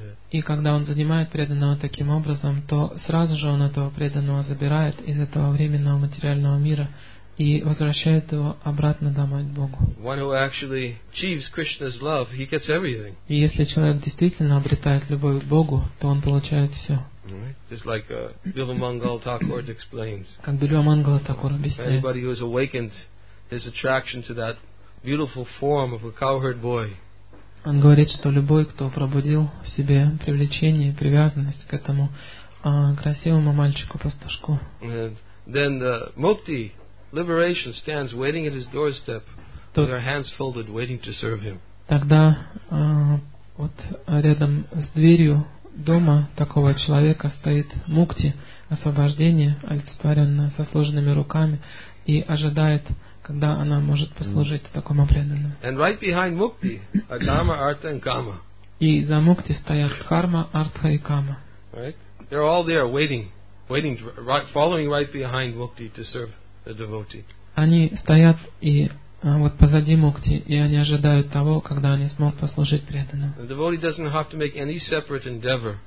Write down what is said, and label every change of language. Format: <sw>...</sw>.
<ru>И когда он занимает преданного таким образом, то сразу же он этого преданного забирает из этого временного материального мира и возвращает его обратно домой к Богу.</ru> <en>One who actually achieves Krishna's love, he gets everything.</en> <ru>И если человек действительно обретает любовь к Богу, то он получает все.</ru> <en>Just like Bilvamangala Thakur explains.</en> <ru>Как Бильвамангала Такур объясняет.</ru> <en>Anybody who has awakened his attraction to that beautiful form of a cowherd boy.</en> <ru>Он говорит, что любой, кто пробудил в себе привлечение, привязанность к этому красивому мальчику-пастушку.</ru> <en>Then the mukti. Liberation stands waiting at his doorstep with her hands folded, waiting to serve him.</en> <ru>Тогда вот рядом с дверью дома такого человека стоит мукти, освобождение, олицетворенное со сложенными руками, и ожидает, когда она может послужить такому преданному.</ru> <en>And right behind mukti, adharma, artha, and kama.</en> <ru>И за мукти стоят карма, артха и кама.</ru> <en>Right? They're all there waiting, following right behind mukti to serve.</en> <ru>Они стоят и вот позади мукти, и они ожидают того, когда они смогут послужить преданному.</ru>